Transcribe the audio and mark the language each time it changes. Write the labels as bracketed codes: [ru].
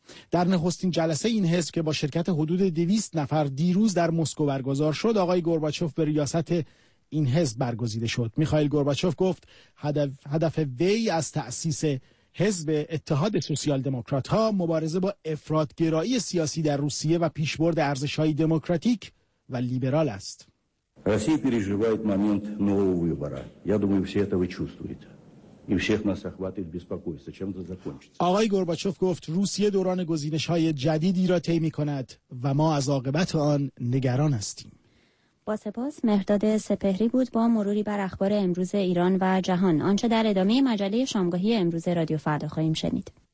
[fa] در نخستین جلسه این حزب که با شرکت حدود 200 نفر دیروز در مسکو برگزار شد، آقای گورباچف به ریاست این حزب برگزیده شد. میخائیل گورباچف گفت هدف وی از تأسیس حزب اتحاد سوسیال دموکرات ها مبارزه با افراط‌گرایی سیاسی در روسیه و پیشبرد ارزش های دموکراتیک و لیبرال است. [ru] روسیه переживает момент нового выбора. Я думаю, все это вы чувствуете. И всех нас охватывает беспокойство, чем это закончится. [fa] آقای گورباچف گفت روسیه دوران گزینش های جدیدی را طی می کند و ما از عاقبت آن نگران هستیم. با سپاس، مهداد سپهری بود با مروری بر اخبار امروز ایران و جهان. آنچه در ادامه مجله شامگاهی امروز رادیو فردا خواهیم شنید.